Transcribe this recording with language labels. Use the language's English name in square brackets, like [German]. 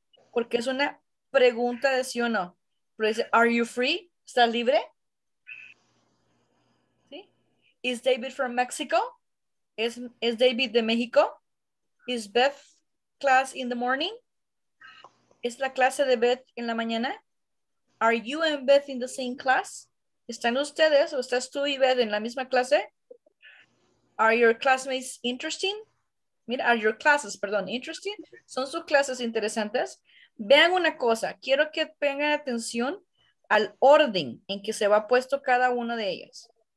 [Spanish] Porque es una pregunta de sí o no. Pero dice, [English] are you free? [Spanish] ¿Estás libre? ¿Sí? [English] Is David from Mexico? [Spanish] ¿Es David de México? [English] Is Beth class in the morning? [Spanish] ¿Es la clase de Beth en la mañana? [English] Are you and Beth in the same class? [Spanish] ¿Están ustedes o estás tú y Beth en la misma clase? [English] Are your classmates interesting? [Spanish] Mira, [English] are your classes, [Spanish] perdón, [English] interesting? [Spanish] ¿Son sus clases interesantes? Vean una cosa, quiero que tengan atención al orden en que se va puesto cada una de ellas.